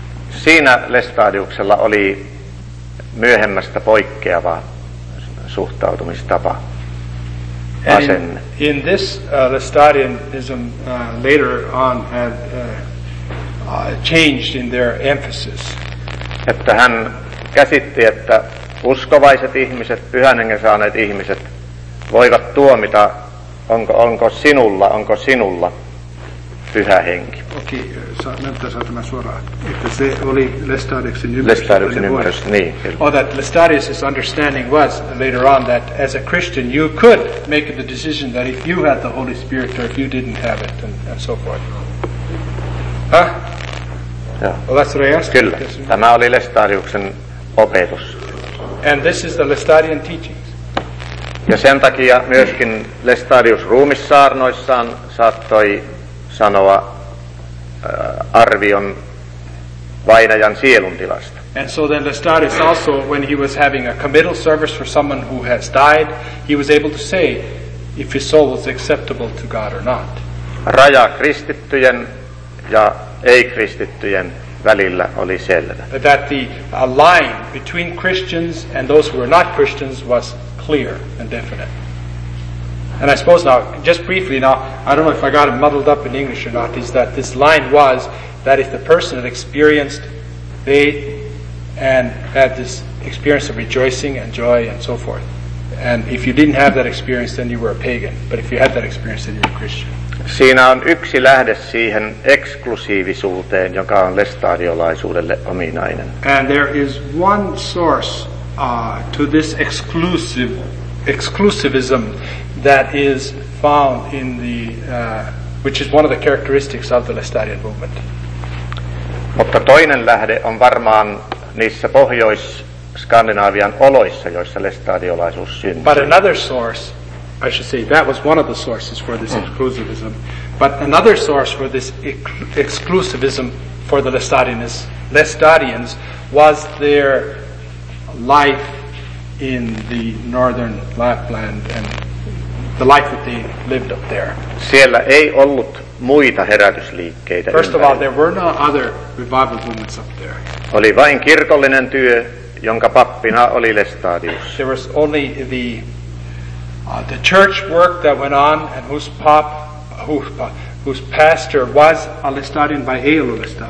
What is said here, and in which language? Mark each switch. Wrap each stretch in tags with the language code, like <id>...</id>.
<fi>Siinä Lestadiuksella oli myöhemmästä poikkeava suhtautumistapa.</fi> <en>In this Lestadianism later on had changed in their emphasis.</en> <fi>Että hän käsitti, että uskovaiset ihmiset, pyhän hengen saaneet ihmiset voivat tuomita, onko sinulla pyhä henki. Okei, näyttää tämä suoraan, että se oli Lestadiuksen ymmärrys. Lestadiuksen ymmärrys, niin.</fi> <en>Or that Lestadius's understanding was later on that as a Christian you could make the decision that if you had the Holy Spirit or if you didn't have it and so forth. Huh?</en> <fi>Kyllä. Tämä oli Lestadiuksen opetus.</fi> <en>And this is the Lestadian teachings.</en> <fi>Ja sen takia myöskin Lestadius ruumissaarnoissaan saattoi sanoa arvion vainajan sielun tilasta.</fi> <en>And so then Lestadius also, when he was having a committal service for someone who has died, he was able to say if his soul was acceptable to God or not.</en> <fi>Raja kristittyjen ja ei-kristittyjen välillä oli selvä.</fi> <en>That the line between Christians and those who were not Christians was clear and definite. And I suppose now, just briefly now, I don't know if I got it muddled up in English or not, is that this line was that if the person had experienced faith and had this experience of rejoicing and joy and so forth, and if you didn't have that experience, then you were a pagan. But if you had that experience, then you were a Christian.</en> <fi>Siinä on yksi lähde siihen eksklusiivisuuteen, joka on lestadiolaisuudelle ominainen.</fi> <en>And there is one source to this exclusivism that is found in the which is one of the characteristics of the Lestadian movement.</en> <fi>Mutta toinen lähde on varmaan niissä Pohjois-Skandinaavian oloissa, joissa lestadiolaisuus syntyi.</fi> <en>But another source, I should say, that was one of the sources for this exclusivism. But another source for this exclusivism for the Lestadians was their life in the northern Lapland and the life that they lived up there.</en> <fi>Siellä ei ollut muita herätysliikkeitä.</fi> <en>First of all, there were no other revival movements up there.</en> <fi>Oli vain kirkollinen työ, jonka pappina oli Lestadius.</fi> <en>There was only the church work that went on and whose pastor was a Lestadian by Eilu Lestadius.</en>